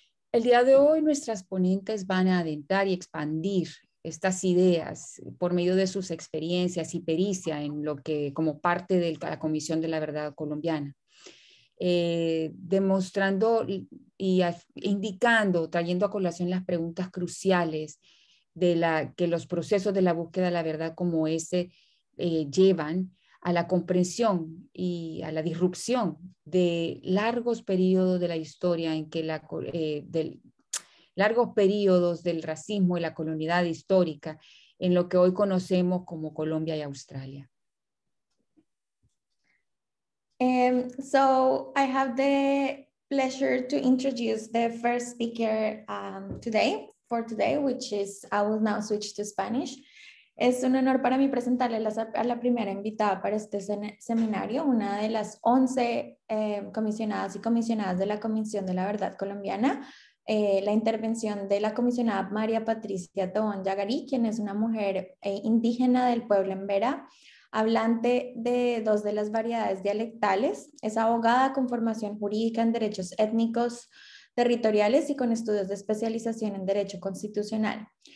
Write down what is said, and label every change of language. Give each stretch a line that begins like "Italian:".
Spanish: El día de hoy, nuestras ponentes van a adentrar y expandir estas ideas por medio de sus experiencias y pericia en lo que como parte de la Comisión de la Verdad Colombiana, demostrando y indicando, trayendo a colación las preguntas cruciales de la que los procesos de la búsqueda de la verdad como ese llevan a la comprensión y a la disrupción de largos periodos de la historia en que la largos periodos del racismo y la colonialidad histórica en lo que hoy conocemos como Colombia y Australia.
English: So I have the pleasure to introduce the first speaker today, which is, I will now switch to Spanish.
Spanish: Es un honor para mí presentarle a la primera invitada para este seminario, una de las 11 comisionadas y comisionadas de la Comisión de la Verdad Colombiana, la intervención de la comisionada María Patricia Tobón Yagarí, quien es una mujer indígena del pueblo Embera, hablante de dos de las variedades dialectales, es abogada con formación jurídica en derechos étnicos territoriales y con estudios de especialización en derecho constitucional.